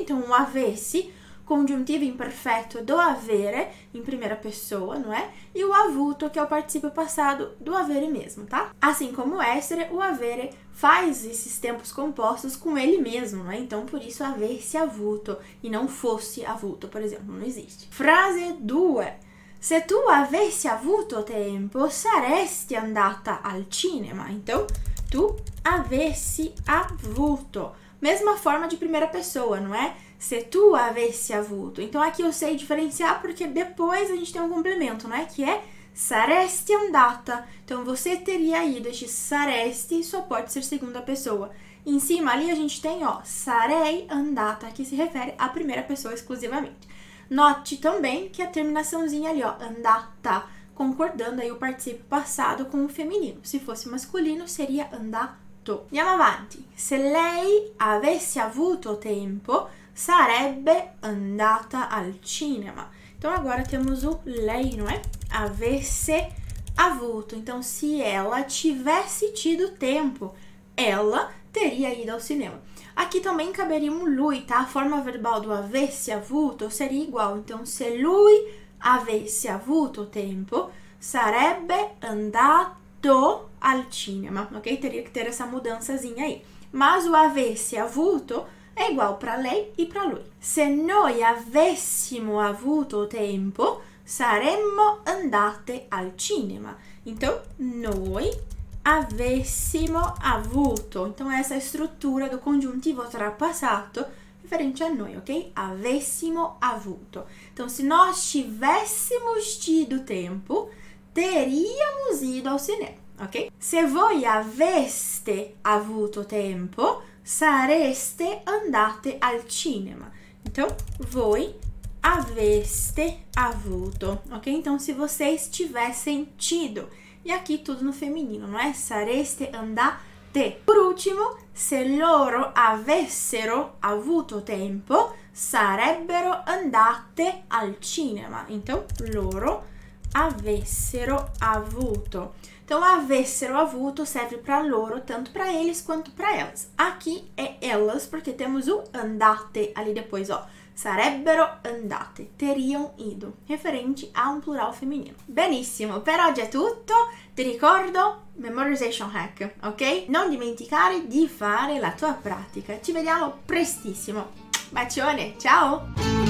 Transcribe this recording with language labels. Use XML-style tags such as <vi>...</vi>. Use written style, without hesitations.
<pt>Então, o avesse, congiuntivo imperfeito do avere, em primeira pessoa, não é? E o avuto, que é o particípio passado do avere mesmo, tá? Assim como o essere, o avere faz esses tempos compostos com ele mesmo, não é? Então, por isso, avesse avuto e não fosse avuto, por exemplo, não existe. Frase 2.</pt> <it>Se tu avessi avuto tempo, saresti andata al cinema.</it> <pt>Então, tu avessi avuto. Mesma forma de primeira pessoa, não é? Se tu avessi avuto. Então, aqui eu sei diferenciar porque depois a gente tem um complemento, não é? Que é saresti andata. Então, você teria ido. Este saresti só pode ser segunda pessoa. Em cima ali a gente tem, ó, sarei andata, que se refere à primeira pessoa exclusivamente. Note também que a terminaçãozinha ali, ó, andata, concordando aí o particípio passado com o feminino. Se fosse masculino, seria andato.</pt> <it>Andiamo avanti. Se lei avesse avuto tempo, sarebbe andata al cinema.</it> <pt>Então agora temos o lei, não é?</pt> <it>Avesse avuto.</it> <pt>Então, se ela tivesse tido tempo, ela teria ido ao cinema. Aqui também caberia um lui, tá? A forma verbal do avesse avuto seria igual.</pt> <it>Então, se lui avesse avuto tempo, sarebbe andato al cinema, ok?</it> <pt>Teria que ter essa mudançazinha aí. Mas o avesse avuto é igual para lei e para lui.</pt> <it>Se noi avessimo avuto tempo, saremmo andate al cinema.</it> <pt>Então, noi avessimo avuto. Então, essa struttura do congiuntivo tra passato referente a noi, ok? Avessimo avuto. Então, se nós tivéssemos tido tempo, teríamos ido ao cinema. Ok?</pt> <it>Se voi aveste avuto tempo, sareste andate al cinema.</it> <pt>Então, voi aveste avuto. Ok? Então, se vocês tivessem tido. E aqui tudo no feminino, não é?</pt> <it>Sareste andate.</it> <pt>Por último,</pt> <it>se loro avessero avuto tempo, sarebbero andate al cinema.</it> <pt>Então, loro avessero avuto. Então, avessero avuto serve para loro, tanto para eles quanto para elas. Aqui é elas, porque temos o andate ali depois, ó. Sarebbero andate, teriam ido, referente a um plural feminino.</pt> <it>Benissimo, per oggi è tutto. Ti ricordo,</it> <en>memorization hack,</en> <it>ok? Non dimenticare di fare la tua pratica. Ci vediamo prestissimo. Bacione, ciao!</it>